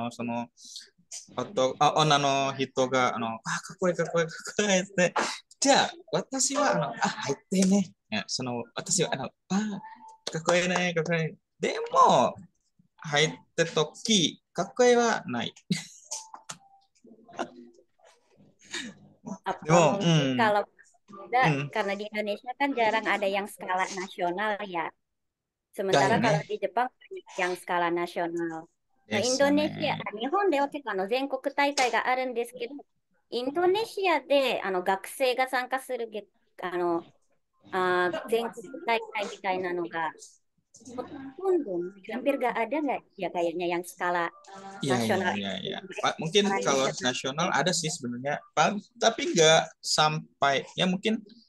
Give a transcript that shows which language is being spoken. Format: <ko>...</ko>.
<ja>その女の人が、かっこいい、かっこいい、かっこいいって、じゃあ私は入ってね、その私はかっこいいね、かっこいい、でも入ってとき、かっこいいはない。でも、</ja> <id>kalau tidak、karena di Indonesia kan jarang ada yang skala nasional ya. Sementara kalau di Jepang banyak yang skala nasional. Nah,</id> <ja>Indonesia、ね、日本では結構全国大会があるんですけど、インドネシアで学生が参加する全国大会みたいなのが。</ja> <id>Hampir gak ada gak ya kayaknya yang skala nasional? Iya. Mungkin kalau nasional ada sih sebenarnya, tapi gak sampai, ya mungkin</id>